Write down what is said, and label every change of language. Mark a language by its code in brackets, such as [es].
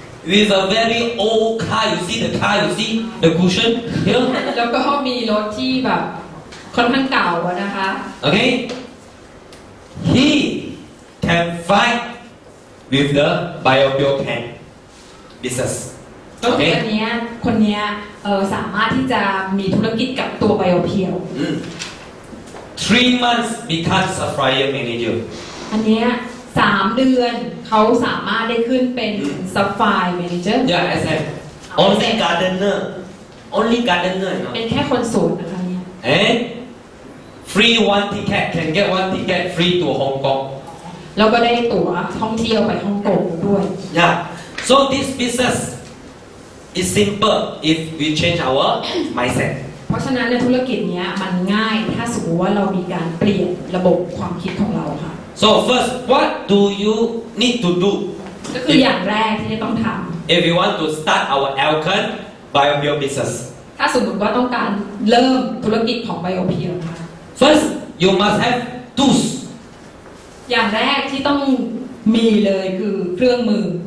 [en] With a very old car, you see the car, you see the cushion here. [th] แล้วก็มีรถที่แบบค่อนข้างเก่าอะนะคะ [en] Okay. He can fight with the biofuel tank business. [th] ก็คือคนนี้สามารถที่จะมีธุรกิจกับตัวไบโอเพียว [en] 3 months become supplier manager [th] อันนี้3เดือนเขาสามารถได้ขึ้นเป็น supply manager [en] yeah as a only gardener only gardener [th] เป็นแค่คนสวนนะคะเนี่ย [en] free one ticket can get one ticket free to Hong Kong [th] แล้วก็ได้ตั๋วท่องเที่ยวไปฮ่องกงด้วย [en] yeah so this businessIt's simple if we change our mindset. [th] เพราะฉะนั้นในธุรกิจนี้มันง่ายถ้าสมมติว่าเรามีการเปลี่ยนระบบความคิดของเราค่ะ [en] So first, what do you need to do? [th] ก็คืออย่างแรกที่จะต้องทำ [en] If you want to start our Alkan Biofuel business. [th] ถ้าสมมติว่าต้องการเริ่มธุรกิจของไบโอเพียร์นะ [en] คะ First, you must have tools. [th] อย่างแรกที่ต้องมีเลยคือเครื่องมือ